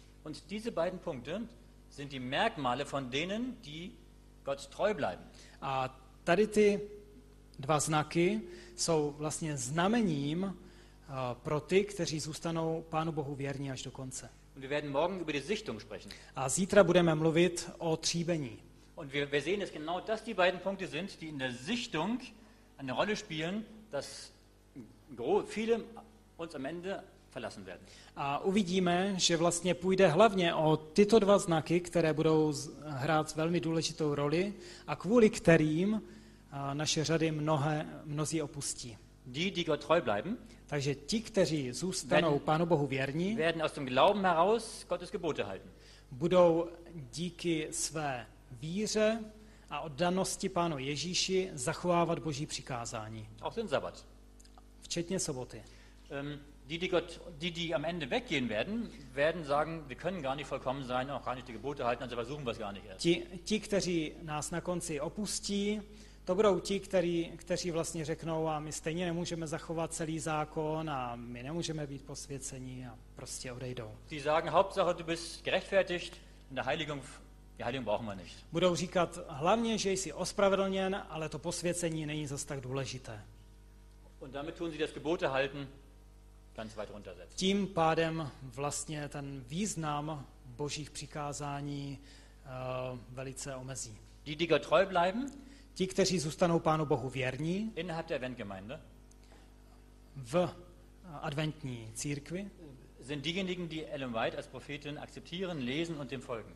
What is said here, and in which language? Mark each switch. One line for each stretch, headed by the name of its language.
German: Und diese beiden Punkte sind die Merkmale von denen, die Gott treu bleiben.
Czech: A tady ty dva znaky jsou vlastně znamením pro ty, kteří zůstanou Pánu Bohu věrní až do konce.
German: Und wir werden morgen über die Sichtung sprechen.
Czech: A zítra budeme mluvit o tříbení.
German: Und wir sehen es genau, dass die beiden Punkte sind, die in der Sichtung eine Rolle spielen, dass viele uns am Ende verlassen werden.
Czech: A uvidíme, že vlastně půjde hlavně o tyto dva znaky, které budou hrát velmi důležitou roli a kvůli kterým naše řady mnozí opustí.
German: Die Gott treu bleiben.
Czech: Takže ti, kteří zůstanou Pánu Bohu věrní,
German: werden aus dem Glauben heraus Gottes Gebote halten.
Czech: Budou díky své víře a oddanosti Pánu Ježíši zachovávat Boží přikázání.
German: Auch den Sabbat.
Czech: Včetně soboty.
German: die am Ende weggehen werden, werden sagen, wir können gar nicht vollkommen sein, auch gar nicht die Gebote halten, also versuchen wir es gar nicht erst.
Czech: Ti, kteří nás na konci opustí, to budou ti, kteří vlastně řeknou, a my stejně nemůžeme zachovat celý zákon a my nemůžeme být posvěcení a prostě odejdou.
German: Die sagen, Hauptsache du bist gerechtfertigt, in der Heiligung, die Heiligung brauchen wir nicht.
Czech: Budou říkat, hlavně, že jsi ospravedlněn, ale to posvěcení není zas tak důležité.
German: Und damit tun sie das Gebote halten, ganz weit runtersetzen.
Czech: Tím pádem vlastně ten význam Božích přikázání velice omezí.
German: Die Gott treu bleiben,
Czech: ti, kteří zůstanou Pánu Bohu věrní
German: innerhalb der Eventgemeinde,
Czech: v adventní církvi,
German: sind diejenigen, die Ellen White als Prophetin akzeptieren, lesen und dem folgen.